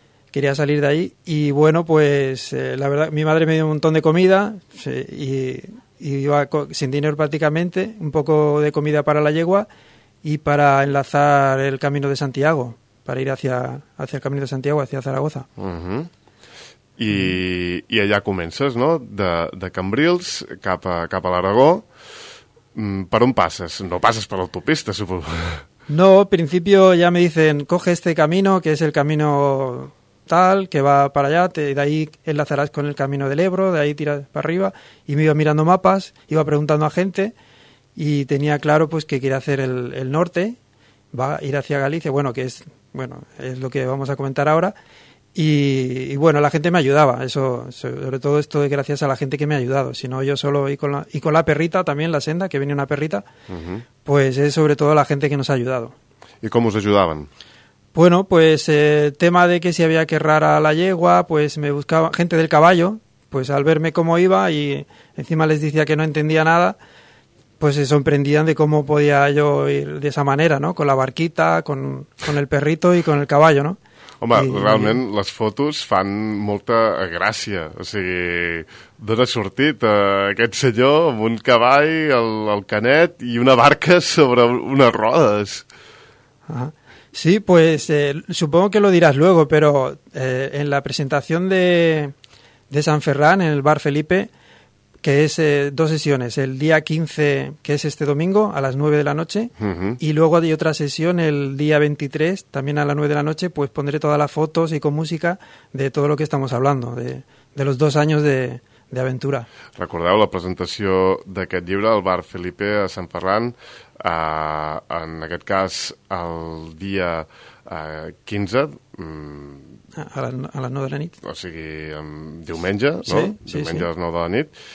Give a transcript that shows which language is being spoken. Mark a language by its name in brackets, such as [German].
[Spanish] Quería salir de ahí y bueno, pues la verdad, mi madre me dio un montón de comida y iba sin dinero prácticamente, un poco de comida para la yegua y para enlazar el Camino de Santiago, para ir hacia el Camino de Santiago, hacia Zaragoza. [Catalan] I allà comences, no? De Cambrils cap a l'Aragó. Per on passes? No passes per l'autopista, suposo. [Spanish] No, al principio ya me dicen, coge este camino, que es el camino tal, que va para allá, de ahí enlazarás con el camino del Ebro, de ahí tiras para arriba. Y me iba mirando mapas, iba preguntando a gente, y tenía claro pues que quería hacer el norte, va a ir hacia Galicia, bueno, que es, bueno, es lo que vamos a comentar ahora. Y bueno, la gente me ayudaba, eso, sobre todo esto es gracias a la gente que me ha ayudado, si no yo solo y con la perrita también, la senda, que viene una perrita, pues es sobre todo la gente que nos ha ayudado. ¿Y cómo os ayudaban? Bueno, pues el tema de que si había que errar a la yegua, pues me buscaba gente del caballo, pues al verme cómo iba y encima les decía que no entendía nada, pues se sorprendían de cómo podía yo ir de esa manera, ¿no? Con la barquita, con el perrito y con el caballo, ¿no? [Catalan] Home, realment les fotos fan molta gràcia, o sigui, d'on ha sortit aquest senyor amb un cavall, el canet i una barca sobre unes rodes. [Spanish] Sí, pues supongo que lo dirás luego, pero en la presentación de San Ferran, en el Bar Felipe, que es dos sesiones, el día 15, que es este domingo, a las 9 de la noche, y luego hay otra sesión el día 23, también a las 9 de la noche, pues pondré todas las fotos y con música de todo lo que estamos hablando, de los dos años de aventura. [Catalan] Recordeu la presentació d'aquest llibre al Bar Felipe a Sant Ferran, en aquest cas el dia 15, A les 9 de la nit. O sigui, diumenge, no? Sí, sí. Diumenge sí. A les 9 de la nit.